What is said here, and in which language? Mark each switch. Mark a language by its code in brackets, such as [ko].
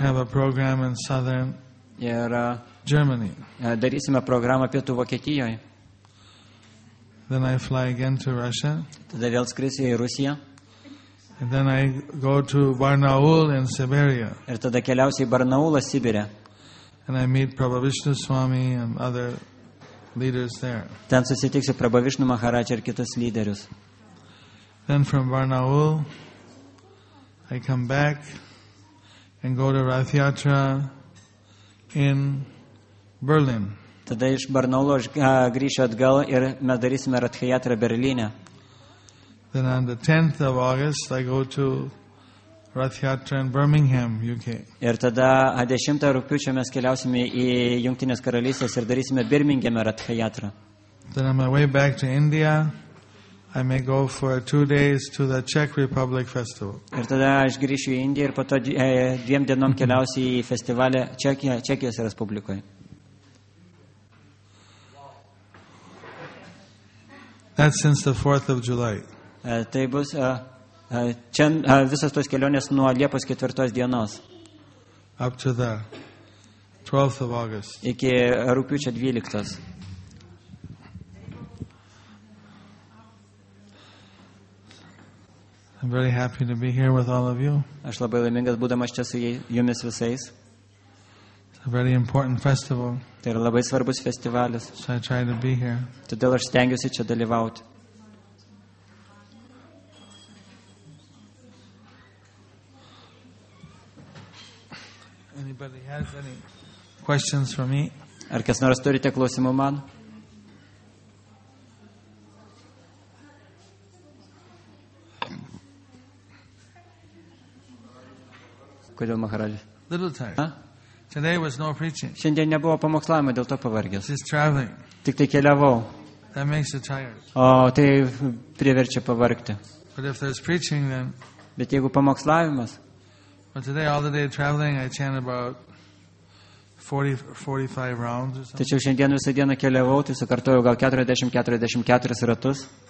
[en] Have a program in southern Germany. [lt] Darysime programą Pietų Vokietijoje. [en] Then I fly again to Russia. [lt] Tada vėl skrisiu į Rusiją. [en] And then I go to Barnaul in Siberia. [lt] Ir tada keliausiu į Barnaulą Sibire. [en] And I meet Prabhavishnu Swami and other leaders there. [lt] Ten susitiksiu Prabhavishnu Maharaj ir kitus lyderius. [en] Then from Barnaul I come back and go to Rath Yatra in Berlin. [lt] Tada iš Barnaulo aš grįšiu atgal ir mes darysime Rath Yatra Berlyne. [en] Then on the 10th of August I go to Rath Yatra in Birmingham, UK. [lt] Ir tada 10 rugpjūčio mes keliausime į Jungtinės karalystės ir darysime Birmingham Rath Yatra. [en] Then on my way back to India I may go for 2 days to the Czech Republic festival. [lt] Ir tada aš grįšiu į Indiją ir po to 2 dienom keliausiu į festivalį Čekijos Respublikoje. [en] That's since the 4th of July. [lt] Tai bus čia visas tos kelionės nuo Liepos 4 dienos. [en] Up to the 12th of August. [lt] Iki rugpjūčio 12. [en] I'm very happy to be here with all of you. [lt] Aš labai laimingas būdamas čia su jumis visais. [en] A very important festival. [lt] Tai yra labai svarbus festivalis. [en] So I try to be here. [lt] Todėl aš stengiuosi čia dalyvauti. [en] Anybody has any questions for me? [lt] Ar kas nors turite klausimų man? Kodėl Maharadžas? [en] Little time. Today was no preaching. [lt] Šiandien nebuvo pamokslavimo, dėl to pavargęs. [en] Just traveling. [lt] Tik tai keliavau. [en] That makes you tired. [lt] O tai priverčia pavargti. [en] But if there's preaching, then. [lt] Bet jeigu pamokslavimas. [en] But today, all the day traveling, I chant about 40-45 rounds or something. [lt] Tačiau šiandien visą dieną keliavau, tai sukartojau gal 40-44 ratus.